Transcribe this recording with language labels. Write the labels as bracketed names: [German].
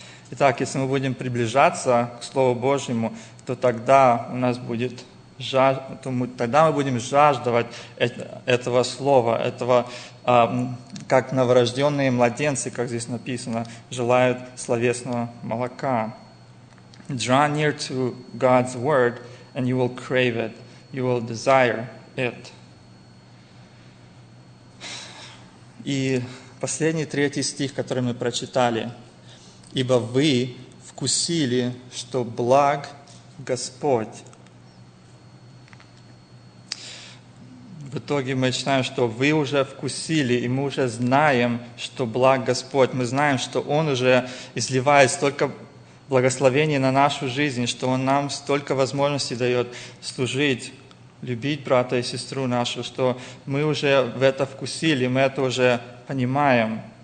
[Russian] Итак, если мы будем приближаться к Слову Божьему, то тогда у нас будет тогда мы будем жаждовать этого Слова, этого, как новорожденные младенцы, как здесь написано, желают словесного молока. [English] Draw near to God's word, and you will crave it, you will desire it. [Russian] И последний, третий стих, который мы прочитали. «Ибо вы вкусили, что благ Господь». В итоге мы читаем, что «вы уже вкусили, и мы уже знаем, что благ Господь». Мы знаем, что Он уже изливает столько благословений на нашу жизнь, что Он нам столько возможностей дает служить, любить брата и сестру нашу, что мы уже в это вкусили, мы это уже понимаем.